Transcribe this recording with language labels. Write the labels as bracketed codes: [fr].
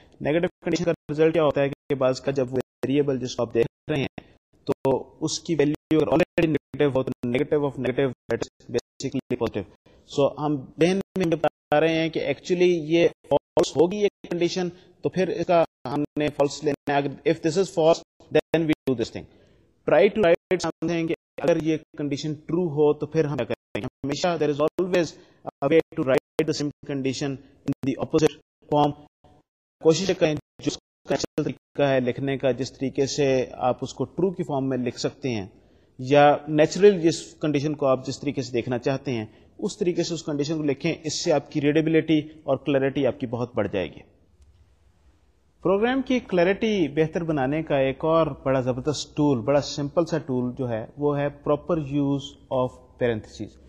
[ur] Negative condition کا result کیا ہوتا ہے کہ بعض کا جب ویریبل جس کو آپ دیکھ رہے ہیں تو اس کی ویلیو اگر آلریڈی نیگیٹو ہو تو [en] Negative of negative that is basically positive. [ur] سو ہم ذہن میں بتا رہے ہیں کہ ایکچولی یہ فالس ہوگی ایک کنڈیشن تو پھر اس کا ہم نے فالس لینا ہے. [en] If this is false then we do this thing. Try to write something [ur] اگر یہ کنڈیشن ٹرو ہو تو پھر ہم کیا کریں گے. [en] ہمیشہ there is always a way to write the same condition in the opposite form. [ur] کوشش کریں جس کا طریقہ ہے لکھنے کا جس طریقے سے آپ اس کو ٹرو کی فارم میں لکھ سکتے ہیں یا نیچرل جس کنڈیشن کو آپ جس طریقے سے دیکھنا چاہتے ہیں اس طریقے سے اس کنڈیشن کو لکھیں. اس سے آپ کی ریڈیبلٹی اور کلیئرٹی آپ کی بہت بڑھ جائے گی. پروگرام کی کلیئرٹی بہتر بنانے کا ایک اور بڑا زبردست ٹول، بڑا سمپل سا ٹول جو ہے وہ ہے [en] Proper use of parentheses.